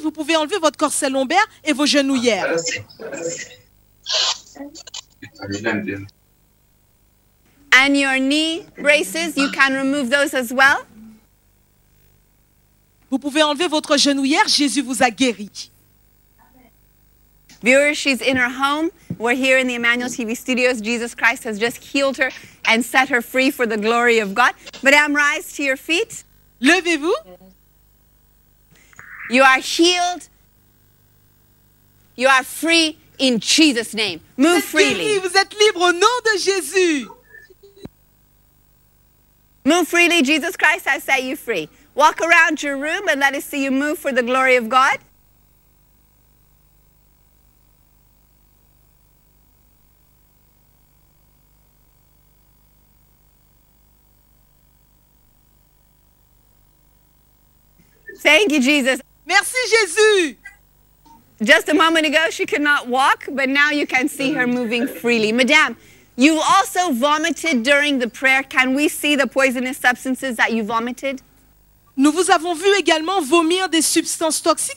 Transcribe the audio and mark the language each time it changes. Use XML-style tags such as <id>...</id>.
<fr>Vous pouvez enlever votre corset lombaire et vos genouillères.</fr> <en>And your knee braces, you can remove those as well.</en> <fr>Vous pouvez enlever votre genouillère, Jésus vous a guéri.</fr> <en>Viewers, she's in her home. We're here in the Emmanuel TV studios. Jesus Christ has just healed her and set her free for the glory of God. Madame, rise to your feet.</en> <fr>Levez-vous.</fr> <en>You are healed. You are free in Jesus' name. Move freely.</en> <fr>Vous êtes libre au nom de Jésus.</fr> <en>Move freely, Jesus Christ, I set you free. Walk around your room and let us see you move for the glory of God. Thank you, Jesus.</en> <fr>Merci, Jésus.</fr> <en>Just a moment ago, she could not walk, but now you can see her moving freely. Madame, you also vomited during the prayer. Can we see the poisonous substances that you vomited?</en> <fr>Nous vous avons vu également vomir des substances toxiques.</fr>